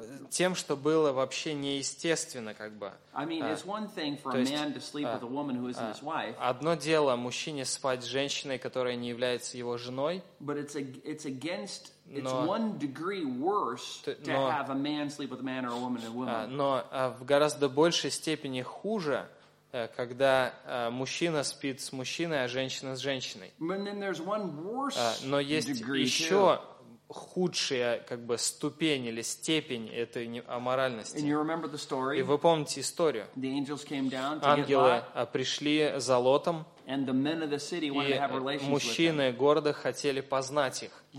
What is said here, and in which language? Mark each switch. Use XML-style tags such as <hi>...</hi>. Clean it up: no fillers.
<ru>Тем, что было вообще неестественно, как бы.</ru> <en>I mean, it's one thing for a man to sleep with a woman who isn't his wife.</en> <ru>Одно дело мужчине спать с женщиной, которая не является его женой.</ru> <en>But it's against. It's one degree worse to have a man sleep with a man or a woman than a woman.</en> <ru>Но в гораздо большей степени хуже, когда мужчина спит с мужчиной, а женщина с женщиной.</ru> <en>But then there's one worse degree too.</en> <ru>Но есть еще худшая как бы ступень или степень этой аморальности. И вы помните историю. Ангелы пришли за Лотом, и мужчины города хотели познать их.</ru>